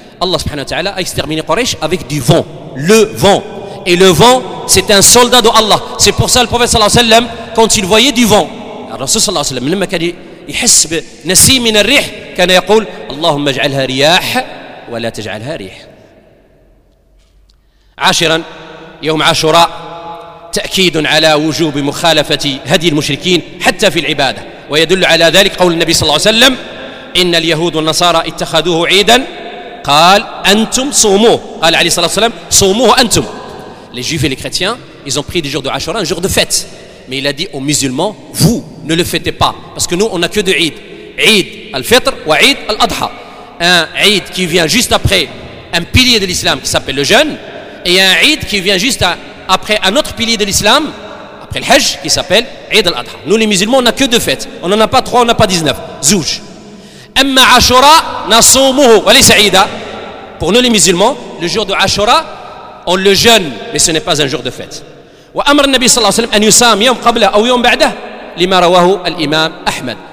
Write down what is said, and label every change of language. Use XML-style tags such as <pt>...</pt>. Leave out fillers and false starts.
<fr>Allah subhanahu wa ta'ala a exterminé Quraysh avec du vent, le vent. Et le vent, c'est un soldat de Allah. C'est pour ça le prophète sallallahu alayhi wa sallam, quand il voyait du vent, Rasul sallallahu alayhi wa sallam, quand il</fr> <ar>يحس بنسيم من الريح كان يقول اللهم اجعلها رياح ولا تجعلها ريح. عاشرا يوم عاشوراء تأكيد على وجوب مخالفة هدي المشركين حتى في العبادة، ويدل على ذلك قول النبي صلى الله عليه وسلم إن اليهود والنصارى اتخذوه عيدا قال أنتم صوموه، قال عليه الصلاة والسلام صوموه أنتم.</ar> <fr>Les juifs et les chrétiens ils ont pris le jour de عاشوراء un jour de fête. Mais il a dit aux musulmans, vous ne le fêtez pas, parce que nous on n'a que deux Eid, Eid al-Fitr wa Eid al-Adha. Un Eid qui vient juste après un pilier de l'islam qui s'appelle le jeûne, et un Eid qui vient juste après un autre pilier de l'islam, après le Hajj, qui s'appelle Eid al-Adha. Nous les musulmans on n'a que deux fêtes, on n'en a pas trois, on n'a pas 19, Zouj.</fr> <ar>أما عاشوراء نصومه وليس عيدا.</ar> <fr>Pour nous les musulmans, le jour de Ashura, on le jeûne, mais ce n'est pas un jour de fête.</fr> <ar>وأمر النبي صلى الله عليه وسلم أن يصام يوم قبله أو يوم بعده لما رواه الإمام أحمد.</ar>